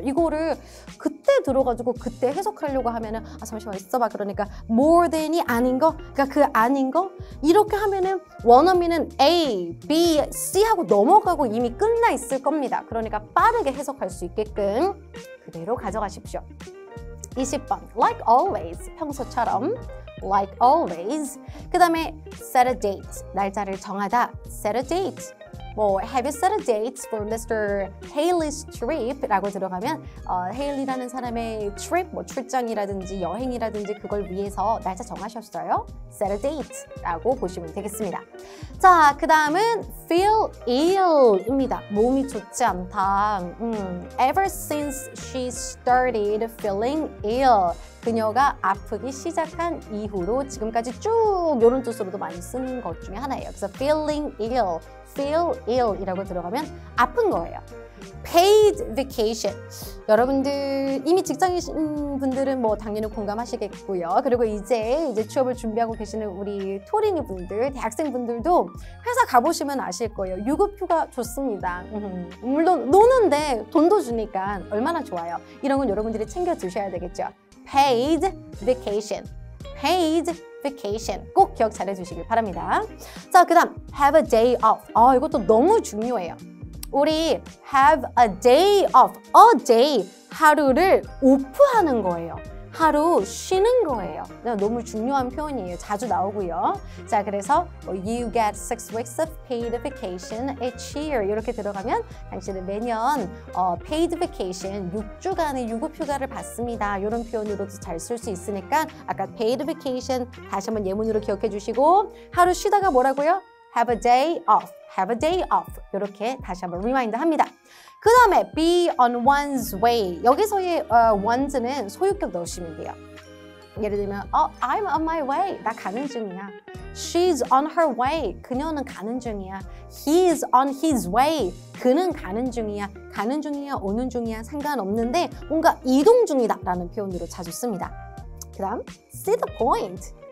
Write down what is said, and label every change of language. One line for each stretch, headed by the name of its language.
Korean: 이거를 그때 들어가지고 그때 해석하려고 하면은 아 잠시만 있어봐 그러니까 more than이 아닌 거 그러니까 그 아닌 거 이렇게 하면은 원어민은 A, B, C 하고 넘어가고 이미 끝나 있을 겁니다. 그러니까 빠르게 해석할 수 있게끔 그대로 가져가십시오.
English: 20번 Like always
Korean: 평소처럼
English: Like always 그 다음에 set a date
Korean: 날짜를 정하다
English: set a date 뭐 have you set a date for Mr.
Korean: Haley's trip 라고 들어가면 Haley라는 사람의 trip 뭐 출장이라든지 여행이라든지 그걸 위해서 날짜 정하셨어요? set a date 라고 보시면 되겠습니다. 자 그 다음은 feel ill 입니다. 몸이 좋지 않다
English: ever since she started feeling ill
Korean: 그녀가 아프기 시작한 이후로 지금까지 쭉 이런 뜻으로도 많이 쓰는 것 중에 하나예요. 그래서 feeling ill feel ill 이라고 들어가면 아픈 거예요. paid vacation 여러분들 이미 직장인 분들은 뭐 당연히 공감하시겠고요. 그리고 이제 취업을 준비하고 계시는 우리 토린이 분들 대학생 분들도 회사 가보시면 아실 거예요. 유급휴가 좋습니다. 물론 노는데 돈도 주니까 얼마나 좋아요. 이런 건 여러분들이 챙겨 두셔야 되겠죠. paid vacation paid vacation 꼭 기억 잘해 주시길 바랍니다. 자 그 다음 have a day off 이것도 너무 중요해요. 우리 have a day off a day 하루를 오프하는 거예요. 하루 쉬는 거예요. 너무 중요한 표현이에요. 자주 나오고요. 자 그래서
English: you get 6 weeks of paid vacation each year
Korean: 이렇게 들어가면 당신은 매년 paid vacation 6주간의 유급휴가를 받습니다. 이런 표현으로도 잘 쓸 수 있으니까 아까 paid vacation 다시 한번 예문으로 기억해 주시고 하루 쉬다가 뭐라고요? have a day off
English: have a day off.
Korean: 이렇게 다시 한번 리마인드 합니다. 그 다음에 be on one's way. 여기서의 one's는 소유격 넣으시면 돼요. 예를 들면
English: I'm on my way. 나 가는 중이야. She's on her way.
Korean: 그녀는 가는 중이야.
English: He's on his way.
Korean: 그는 가는 중이야. 가는 중이야, 오는 중이야 상관없는데 뭔가 이동 중이다 라는 표현으로 자주 씁니다. 그 다음 see the point.